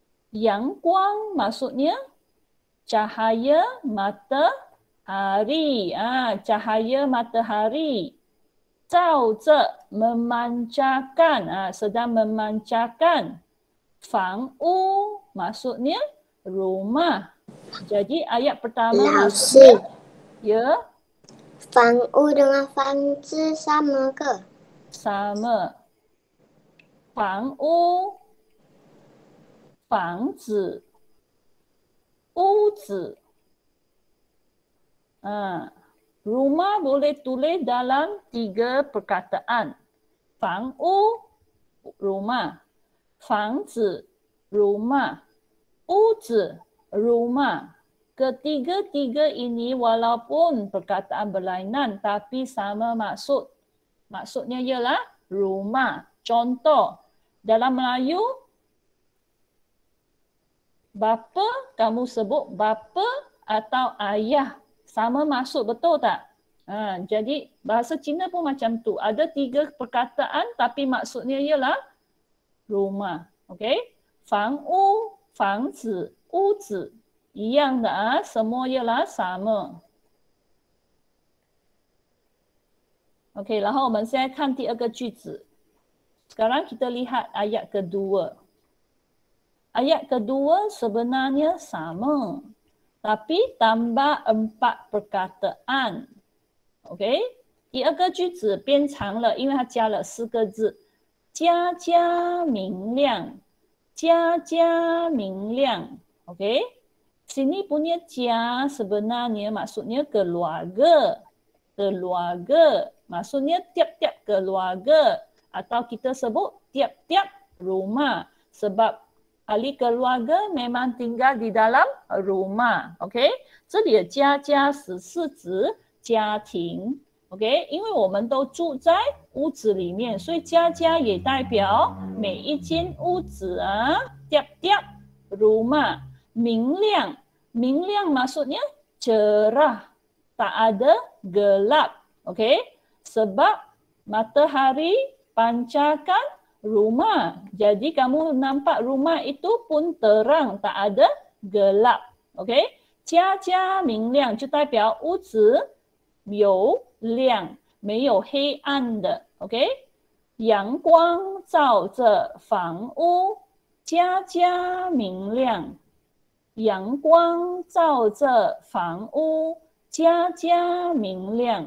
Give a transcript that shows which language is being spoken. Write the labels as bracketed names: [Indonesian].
[Malay] 阳光 maksudnya cahaya matahari 啊，cahaya matahari 照着 memancarkan 啊，sedang memancarkan 房屋 maksudnya rumah。 Jadi ayat pertama [Chinese] 老 [Malay] maksudnya [Chinese] 师， [Malay] ya [Chinese] 房屋的话，房子 sama 个。 [Malay] sama 房屋房子屋子rumah boleh tulis dalam tiga perkataan 房屋 rumah 房子 rumah 屋子 rumah。 Ketiga-tiga ini walaupun perkataan berlainan tapi sama maksud. Maksudnya ialah rumah. Contoh, dalam Melayu, bapa kamu sebut bapa atau ayah. Sama maksud, betul tak? Jadi bahasa Cina pun macam tu. Ada tiga perkataan tapi maksudnya ialah rumah. Okay? [Chinese] Fang u, fang zi, u zi. 一样的啊，什么也拉什么。 OK，然后我们现在看第二个句子。 [Malay] Sekarang kita lihat ayat kedua. Ayat kedua sebenarnya sama. Tapi tambah empat perkataan. OK? [Chinese] 第二个句子变长了，因为它加了四个字。家家明亮，家家明亮。OK? [Malay] Sini punya 家 sebenarnya maksudnya keluarga. Keluarga. Maksudnya tiap-tiap keluarga atau kita sebut tiap-tiap rumah sebab ahli keluarga memang tinggal di dalam rumah. [Chinese] Okay, 这里的家家是是指家庭。 Okay, 因为我们都住在屋子里面，所以家家也代表每一间屋子啊。 [Malay] Tiap-tiap rumah, 明亮，明亮 maksudnya cerah, tak ada gelap. Okay. Sebab matahari pancarkan rumah. Jadi kamu nampak rumah itu pun terang, tak ada gelap. Okay? [Chinese] 家家明亮就代表屋子有亮，没有黑暗的。 Okay? 阳光照着房屋，家家明亮。阳光照着房屋，家家明亮。